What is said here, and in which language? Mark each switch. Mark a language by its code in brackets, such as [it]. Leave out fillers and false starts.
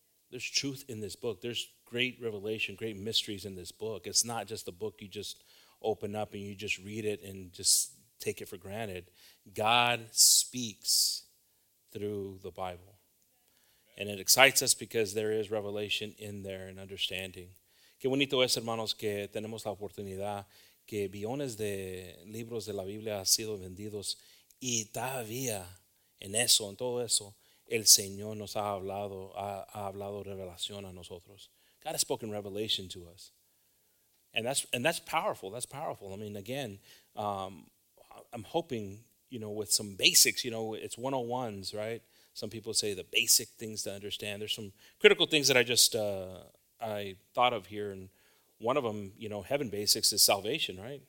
[en] There's truth in this book. There's great revelation, great mysteries in this book. It's not just a book you just open up and you just read it and just take it for granted. God speaks through the Bible. And it excites us because there is revelation in there and understanding. [es] Qué bonito es, hermanos, que tenemos la oportunidad que billones de libros de la Biblia han sido vendidos y todavía en eso, en todo eso, el Señor nos ha hablado, ha hablado revelación a nosotros. [en] God has spoken revelation to us. And that's powerful. That's powerful. I mean, again, I'm hoping, you know, with some basics, you know, it's 101s, right? Some people say the basic things to understand. There's some critical things that I just I thought of here. And one of them, you know, heaven basics is salvation, right?